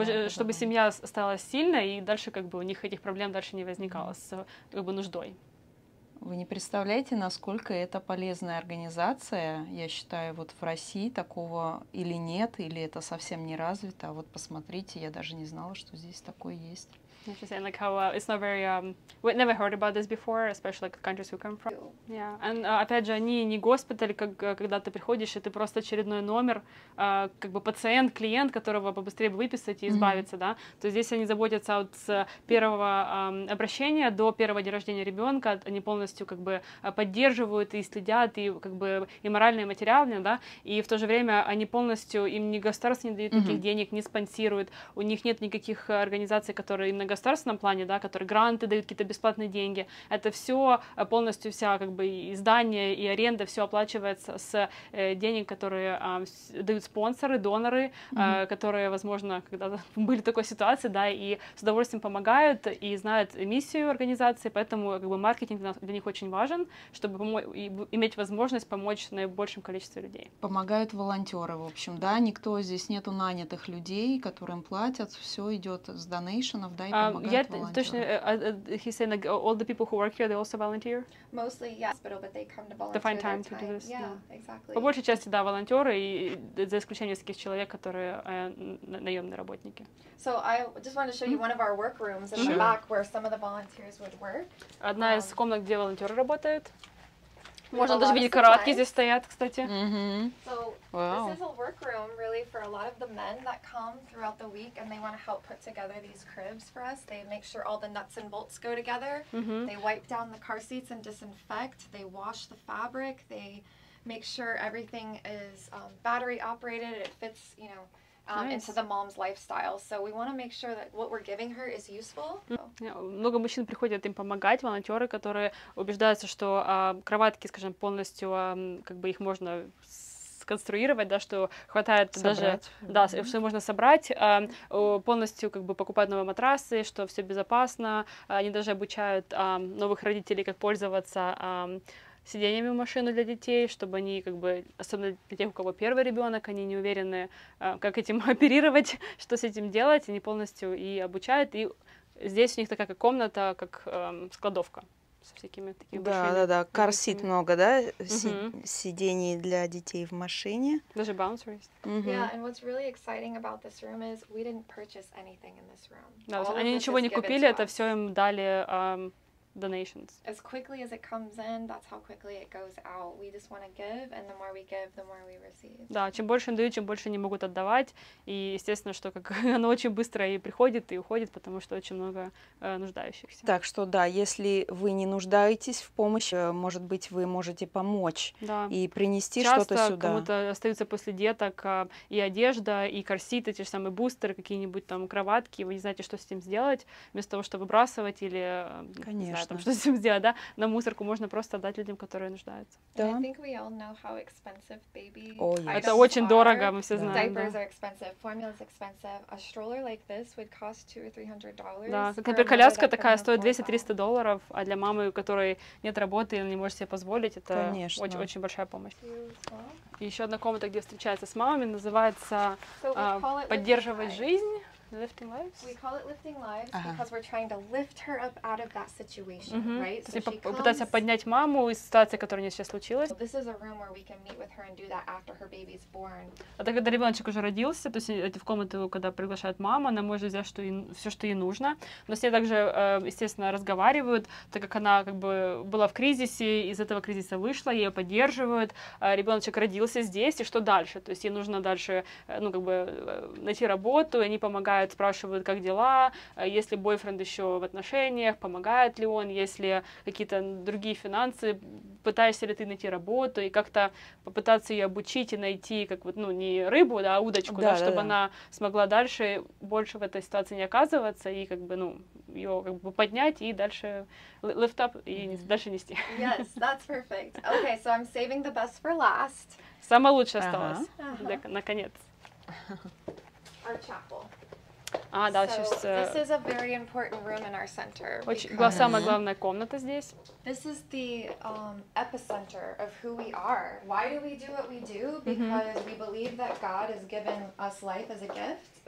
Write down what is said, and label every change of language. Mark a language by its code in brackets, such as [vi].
[ru] Чтобы семья стала сильной, и дальше как бы у них этих проблем дальше не возникало с как бы нуждой. Вы не представляете, насколько это полезная организация, я считаю, вот в России такого или нет, или это совсем не развито. Вот посмотрите, я даже не знала, что здесь такое есть. [en] Interesting, like how it's not very, we never heard about this before, especially like the countries we come from. Yeah, and [ru] опять же, они не госпиталь, как когда ты приходишь, и ты просто очередной номер, как бы пациент, клиент, которого побыстрее бы выписать и избавиться, mm-hmm. да. То есть здесь они заботятся вот с первого обращения до первого дня рождения ребенка, они полностью как бы поддерживают и следят, и как бы и морально, и материально, да, и в то же время они полностью, им ни государство не дает никаких денег, не спонсирует, у них нет никаких организаций, которые им на государственном плане, да, которые гранты дают, какие-то бесплатные деньги, это все полностью вся как бы издание и аренда, все оплачивается с денег, которые дают спонсоры, доноры, которые, возможно, когда-то были в такой ситуации, да, и с удовольствием помогают и знают миссию организации, поэтому как бы маркетинг для них очень важен, чтобы иметь возможность помочь наибольшему количеству людей. Помогают волонтеры, в общем, да, никто здесь нету нанятых людей, которым платят, все идет с донейшенов, да, и помогают волонтеры. Точно, [en] he's saying like all the people who work here, they also volunteer? Mostly, yes, but they come to volunteer. To find time to do this. Yeah, exactly. [ru] По большей части, да, волонтеры, и за исключением таких человек, которые наемные работники. [en] So I just want to show you one of our workrooms in the back where some of the volunteers would work. [ru] Одна из комнат, где волонтеры работают. Можно даже видеть, кроватки здесь стоят, кстати. [en] So, this is a workroom, really, for a lot of the men that come throughout the week, and they want to help put together these cribs for us. They make sure all the nuts and bolts go together. Mm-hmm. They wipe down the car seats and disinfect. They wash the fabric. They make sure everything is battery operated. It fits, you know, into the mom's lifestyle. So we want to make sure that what we're giving her is useful. [ru] Много мужчин приходят им помогать, волонтеры, которые убеждаются, что кроватки, скажем, полностью, как бы их можно конструировать, да, что хватает собрать. Даже, да, что можно собрать, полностью как бы покупать новые матрасы, что все безопасно, они даже обучают новых родителей, как пользоваться сиденьями в машину для детей, чтобы они как бы, особенно для тех, у кого первый ребенок, они не уверены, как этим оперировать, что с этим делать, они полностью и обучают, и здесь у них такая как комната, как складовка. Со всякими такими большими. Да, да, да. [en] Car seat [ru] много, да? Сидений для детей в машине. Даже bouncer есть. [en] Yeah, and what's really exciting about this room is we didn't purchase anything in this room. [ru] Да, они ничего не купили, это все им дали donations. [en] As quickly as it comes in, that's how quickly it goes out. We just want to give, and the more we give, the more we receive. [ru] Да, чем больше им дают, чем больше они могут отдавать. И, естественно, что как оно очень быстро и приходит, и уходит, потому что очень много нуждающихся. Так что, да, если вы не нуждаетесь в помощи, может быть, вы можете помочь да. и принести часто что-то сюда. Часто кому-то остаются после деток и одежда, и корсит, и те же самые бустеры, какие-нибудь там кроватки, вы не знаете, что с этим сделать, вместо того, чтобы выбрасывать или... Конечно. можешь там что-то с этим сделать, да? На мусорку можно просто отдать людям, которые нуждаются. Да. [en] I think we all know how expensive baby [ru] Это очень дорого, мы все знаем. [en] Diapers are expensive, formula is expensive. A stroller like this would cost $200-$300. [ru] Да, например, коляска такая стоит $200-$300, а для мамы, у которой нет работы и не может себе позволить, это очень, очень большая помощь. Еще одна комната, где встречается с мамами, называется «Поддерживать жизнь». [en] Lifting lives. We call it lifting lives because we're trying to lift her up out of that situation, right? [ru] То есть попытаться поднять маму из ситуации, которая у неё сейчас случилась. [en] This is a room where we can meet with her and do that after her baby's born. [ru] А так когда ребёночек уже родился, то есть эти в комнату, когда приглашают маму, она может взять что ей, всё, что ей нужно. Но с ней также, естественно, разговаривают, так как она как бы была в кризисе, из этого кризиса вышла, её поддерживают. Ребёночек родился здесь, и что дальше? То есть ей нужно дальше, ну как бы найти работу, и они помогают. Спрашивают, как дела, есть ли бойфренд еще в отношениях, помогает ли он, есть ли какие-то другие финансы, пытаешься ли ты найти работу и как-то попытаться ее обучить и найти, как вот, ну, не рыбу, да, а удочку, да, чтобы она смогла дальше больше в этой ситуации не оказываться и как бы, ну, ее как бы поднять и дальше [en] lift up [ru] и дальше нести. [en] Yes, that's perfect. Okay, so I'm saving the best for last. [ru] Самое лучшее осталось. Наконец. [en] Our chapel. [ru] А, да, so, сейчас... [en] This is a very important room in our center. [ru] Очень, была самая главная комната здесь. [en] This is the epicenter of who we are. Why do we do what we do? Because we believe that God has given us life as a gift.